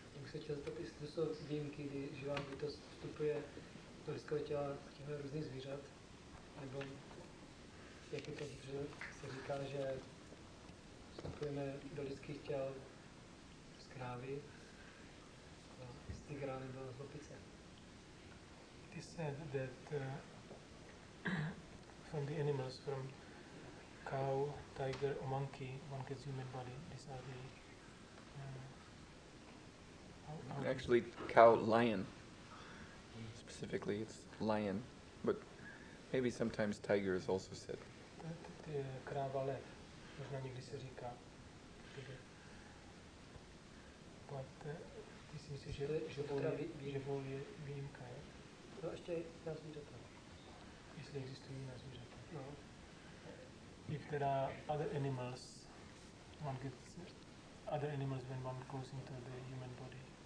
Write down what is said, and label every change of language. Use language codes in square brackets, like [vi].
[cs] Se chtěl zeptat, jestli to jsou výjimky, kdy živá bytost vstupuje do lidského těla s tímhle různých zvířat, nebo jak je to, že se říká, že vstupujeme do lidských těl z krávy, z tygra nebo z lopice. [en] He said that from the animals, from cow, tiger or monkey, one gets human body, these are the actually, cow, lion. Specifically, it's lion, but maybe sometimes tiger is also said. [cs] Kráva, lev. Možná někdy se říká. But ty si myslíš, že vůl je výjimka, je? To ještě jiná zvířata. Jestli existují jiná zvířata. [en] If there are other animals, one gets other animals when one goes into the human body.